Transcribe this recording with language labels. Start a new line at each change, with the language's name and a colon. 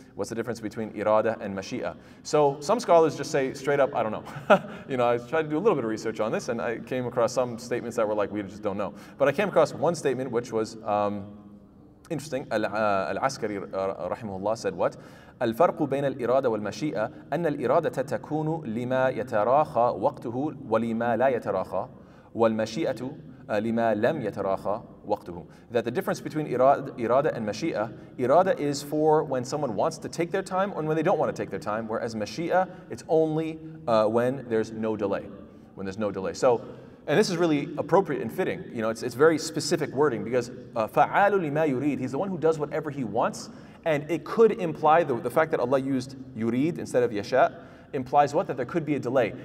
English: What's the difference between irada and mashi'ah? So some scholars just say straight up, I don't know. You know, I tried to do a little bit of research on this and I came across some statements that were like, we just don't know. But I came across one statement which was interesting. Al-Askari rahimahullah said what?
Arabic: الفرق بين الإرادة والمشيئة أن الإرادة تكون لما يتراخى وقته ولما لا يتراخى والمشيئة لما لم يتراخى وقته.
English: That the difference between irada and mashi'ah, irada is for when someone wants to take their time or when they don't want to take their time, whereas mashi'ah, it's only when there's no delay. When there's no delay. So, and this is really appropriate and fitting. You know, it's very specific wording because fa'alu lima yurid, he's the one who does whatever he wants, and it could imply the fact that Allah used yurid instead of yasha' implies what? That there could be a delay.